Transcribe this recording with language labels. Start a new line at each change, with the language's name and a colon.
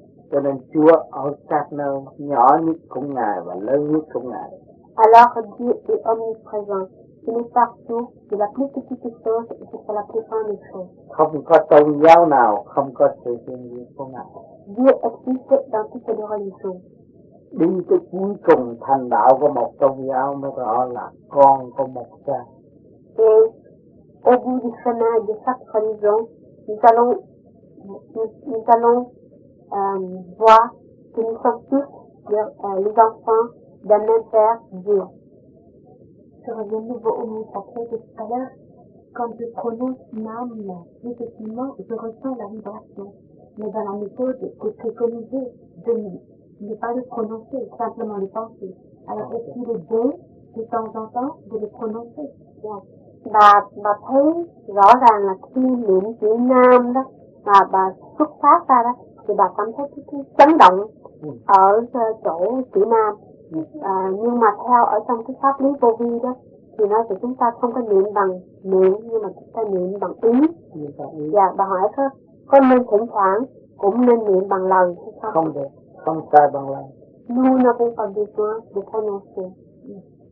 Vietnamese: cho nên Chúa omnipresent, nhỏ nhất cũng Ngài và lớn nhất cũng Ngài.
French: Alors Dieu est omniprésent. Il est partout, de la plus petite chose jusqu'à la plus grande chose.
Vietnamese: Không có tôn giáo nào không có sự hiện diện của Ngài.
French: Dieu existe dans toutes les religions.
Vietnamese: Đi tới cuối cùng thành đạo của một tôn giáo mới rõ là con của một cha.
French: Et au bout du chemin de chaque religion, nous allons voir que nous sommes tous les enfants d'un même père, Dieu. Je reviens de nouveau au mot sacré de tout à l'heure. Quand je prononce Namna, effectivement, je ressens la vibration. Mais dans la méthode que préconisez de nous, ne pas le prononcer, simplement le penser. Alors est-il bon de temps en temps de le prononcer?
Vietnamese: Bà thấy rõ ràng là khi niệm chữ Nam đó mà bà xuất phát ra đó thì bà cảm thấy cái chấn động ở chỗ chữ Nam. Nhưng mà theo ở trong cái pháp lý vô vi đó thì nói là chúng ta không có niệm bằng miệng nhưng mà chúng ta niệm bằng ý. Dạ, bà hỏi có nên thỉnh thoảng cũng nên niệm bằng lời hay không? Không được, không sai bằng lời.
French: Nous n'avons pas besoin de prononcer.